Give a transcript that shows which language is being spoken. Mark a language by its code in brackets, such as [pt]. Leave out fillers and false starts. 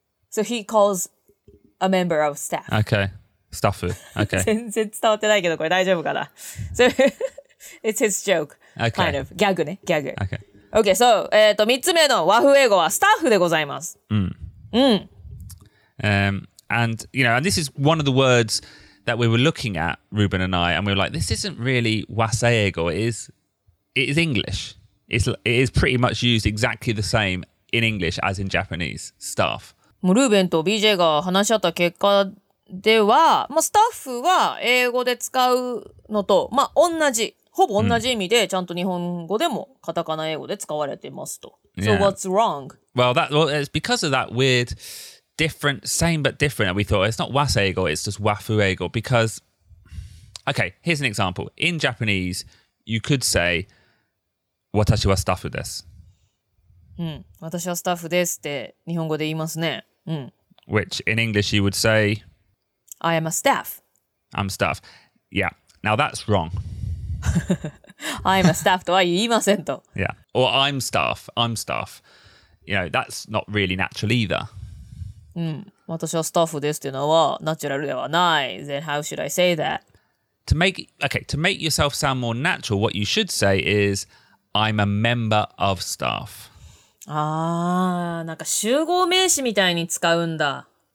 [en] So he calls a member of staff. Okay. Staffu. Okay. [ja] 全然伝わってないけど、これ大丈夫かな? [en] So it's his joke. Okay. Kind of. [ja] ギャグね。ギャグ。 [en] Okay. Okay. [ja] So, 三つ目の和風英語はスタッフでございます。 [en] And, you know, and this is one of the words... that we were looking at, Ruben and I, and we were like, this isn't really Waseego, it is English. It is pretty much used exactly the same in English as in Japanese, staff. [ja] もうルーベンと BJ が話し合った結果では、まあ、スタッフは英語で使うのと、まあ、同じ、ほぼ同じ意味で、ちゃんと日本語でもカタカナ英語で使われてますと。 [en] Yeah. So what's wrong? Well, that, well, it's because of that weird different, same but different, we thought it's not wasaigo, it's just wafuego, because, okay, here's an example. In Japanese, you could say, [ja] 私はスタッフです。うん、私はスタッフですって日本語で言いますね。うん。 [en] Which in English you would say, I am a staff. I'm staff. Yeah. Now that's wrong. I'm a staff [ja] とは言いませんと。 [en] Yeah. Or I'm staff. I'm staff. You know, that's not really natural either. [ja] うん。私はスタッフですっていうのはナチュラルではない。 [en] Then how should I say that? To make yourself sound more natural, what you should say is, I'm a member of staff. [ja] ああ、なんか集合名詞みたいに使うんだ。